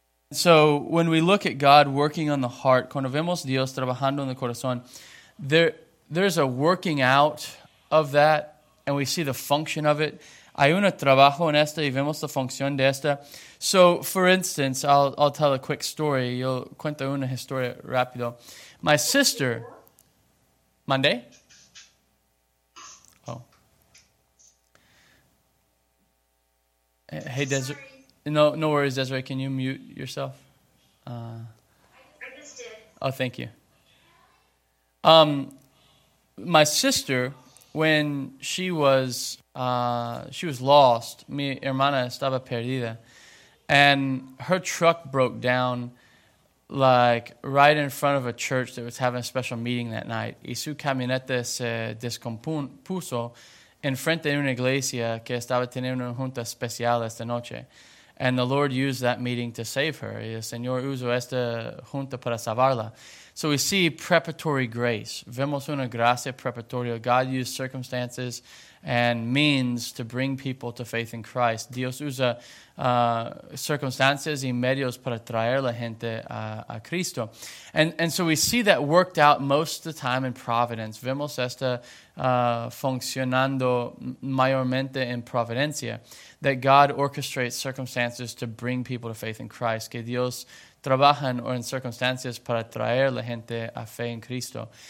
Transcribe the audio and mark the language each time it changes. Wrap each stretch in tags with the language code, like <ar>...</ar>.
<en>So when we look at God working on the heart, cuando vemos Dios trabajando en el corazón, there's a working out of that, and we see the function of it.</en> <es>Hay un trabajo en esta y vemos la función de esta.</es> <en>So, for instance, I'll tell a quick story.</en> <es>Yo cuento una historia rápido.</es> <en>My sister, ¿mandé? Oh. Hey, Desiree. No worries, Desiree. Can you mute yourself? I just did. Oh, thank you. My sister, when she was lost, mi hermana estaba perdida, and her truck broke down like right in front of a church that was having a special meeting that night.</en> <es>Y su camioneta se descompuso en frente de una iglesia que estaba teniendo una junta especial esta noche.</es> <en>And the Lord used that meeting to save her.</en> <es>Y el Señor usó esta junta para salvarla.</es> <en>So we see preparatory grace. Vemos una gracia preparatoria. God used circumstances and means to bring people to faith in Christ.</en> <es>Dios usa circumstances y medios para traer la gente a Cristo.</es> <en>And so we see that worked out most of the time in providence.</en> <es>Vemos esta funcionando mayormente en providencia.</es> <en>That God orchestrates circumstances to bring people to faith in Christ.</en> <es>Que Dios trabajan o en circunstancias para traer la gente a fe en Cristo.</es>